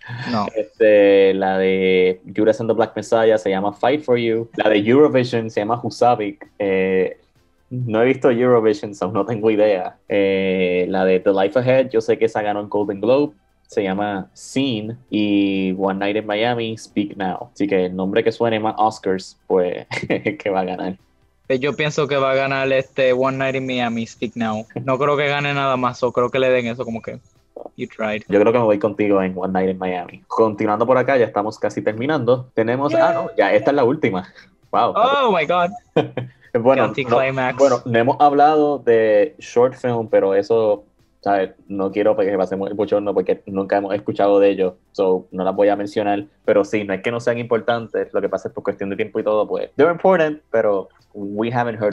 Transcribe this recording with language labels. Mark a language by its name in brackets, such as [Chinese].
[Spanish] No. La de Judas and the Black Messiah se llama Fight For You. La de Eurovision se llama Husavik. No he visto Eurovision, so no tengo idea. La de The Life Ahead, yo sé que esa ganó en Golden Globe, se llama Scene. Y One Night in Miami, Speak Now. Así que el nombre que suene más Oscars, pues que va a ganar. Yo pienso que va a ganar One Night in Miami, Speak Now. No creo que gane nada más, o creo que le den eso como que... [English] You tried. [Spanish] Yo creo que me voy contigo en One Night in Miami. Continuando por acá, ya estamos casi terminando. Tenemos, yeah. Ya esta es la última. Wow. [English] Oh my god. [Spanish] Bueno, no hemos hablado de short film, pero eso, ¿sabes? No quiero que pasemos el bochorno porque nunca hemos escuchado de ellos, so no las voy a mencionar. Pero sí, no es que no sean importantes, lo que pasa es por cuestión de tiempo y todo, pues. [English] They're important, [Spanish] pero [English] we haven't heard.